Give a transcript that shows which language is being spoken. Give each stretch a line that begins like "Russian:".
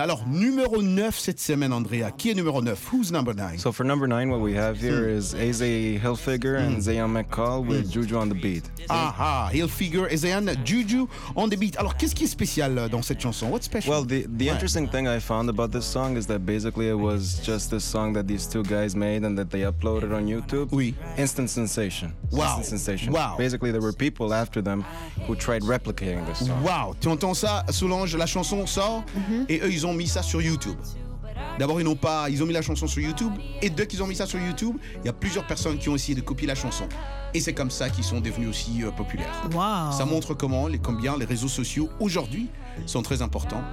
French: Alors numéro 9 cette semaine, Andrea, qui est numéro 9?
English: Who's number 9? So for number 9, what we have here is Eazy Hilfiger and Zayn McCall with Juju on the beat.
French: Aha, Hilfiger, Zayn, Juju on the beat. Alors qu'est-ce qui est spécial dans cette chanson?
English: What's special? Well, the interesting thing I found about this song is that basically it was just this song that these two guys made and that they uploaded on YouTube.
French: Oui.
English: Instant sensation. Wow. Instant sensation. Wow. Basically, there were people after them who tried replicating this song.
French: Wow, tu entends ça, Solange, la chanson sort et eux, ils ont mis ça sur YouTube. D'abord, ils ont mis la chanson sur YouTube et dès qu'ils ont mis ça sur YouTube, il y a plusieurs personnes qui ont essayé de copier la chanson. Et c'est comme ça qu'ils sont devenus aussi populaires. Wow. Ça montre combien les réseaux sociaux aujourd'hui sont très importants.